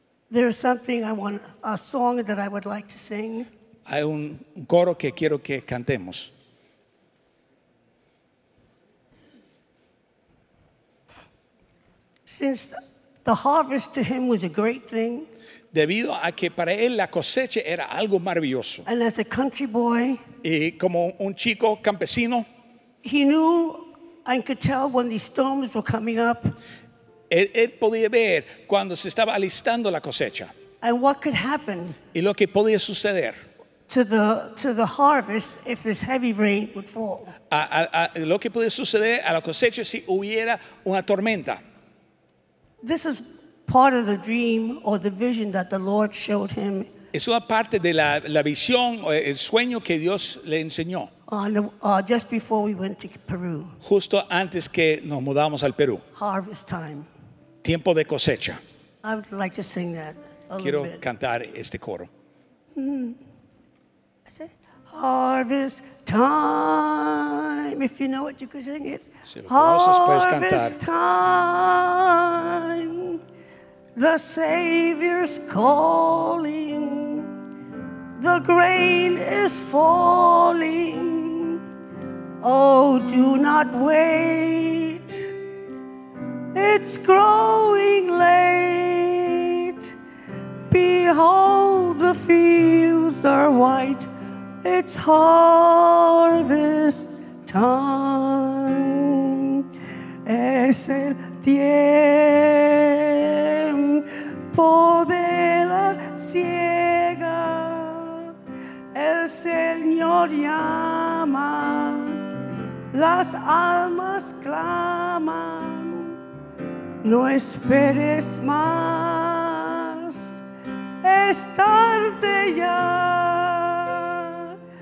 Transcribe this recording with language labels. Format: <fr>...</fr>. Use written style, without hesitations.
<en>There is something I want, a song that I would like to sing.</en> <es>Hay un coro que quiero que cantemos.</es> <en>Since the harvest to him was a great thing.</en> <es>Debido a que para él la cosecha era algo maravilloso.</es> <en>And as a country boy,</en> <es>y como un chico campesino,</es> <en>he knew and could tell when these storms were coming up.</en> <es>Él podía ver cuando se estaba alistando la cosecha.</es> <en>And what could happen?</en> <es>Y lo que podía suceder.</es> <en>To the harvest if this heavy rain would fall.</en> <es>Lo que podía suceder a la cosecha si hubiera una tormenta.</es> <en>This is part of the dream or the vision that the Lord showed him.</en> <es>Es una parte de la visión o el sueño que Dios le enseñó.</es> <en>Just before we went to Peru.</en> <es>Justo antes que nos mudamos al Perú.</es> <en>Harvest time.</en> <es>Tiempo de cosecha.</es> <en>I would like to sing that a</en> <es>Quiero</es> <en>little bit.</en> <es>Cantar este coro.</es> <en>I said, harvest time. If you know it, you could sing it. Harvest time, the Savior's calling, the grain is falling. Oh, do not wait, it's growing late. Behold, the fields are white, it's harvest time.</en> <es>Es el tiempo de la siega. El Señor. Señor llama, las almas claman, no esperes más, es tarde ya.</es>